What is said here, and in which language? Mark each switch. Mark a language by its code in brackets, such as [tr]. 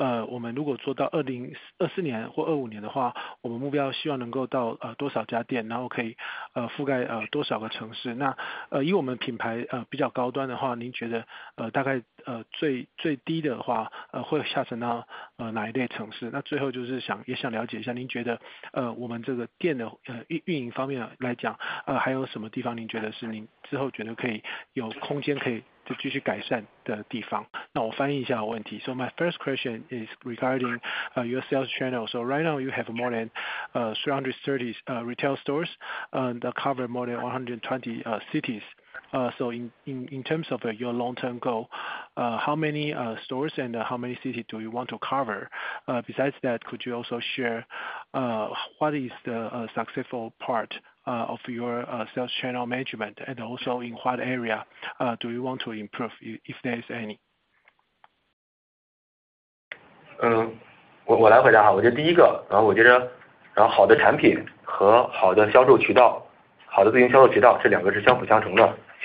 [zh] 我们如果做到2024年或25年的话，我们目标希望能够到多少家店，然后可以覆盖多少个城市？那以我们品牌比较高端的话，您觉得大概最低的话会下沉到 哪一类城市？那最后就是想也想了解一下，您觉得我们这个店的运营方面来讲，还有什么地方您觉得是您之后觉得可以有空间可以就继续改善的地方？那我翻译一下问题。 [en] So my first question is regarding your sales channel. So right now you have more than 330 retail stores and cover more than 120 cities. So in terms of your long-term goal, how many stores and how many cities do you want to cover? Besides that, could you also share what is the successful part of your sales channel management, and also in what area do you want to improve, if there is any? [zh] 我来回答哈，我觉得第一个，然后好的产品和好的销售渠道，好的自营销售渠道，这两个是相辅相成的。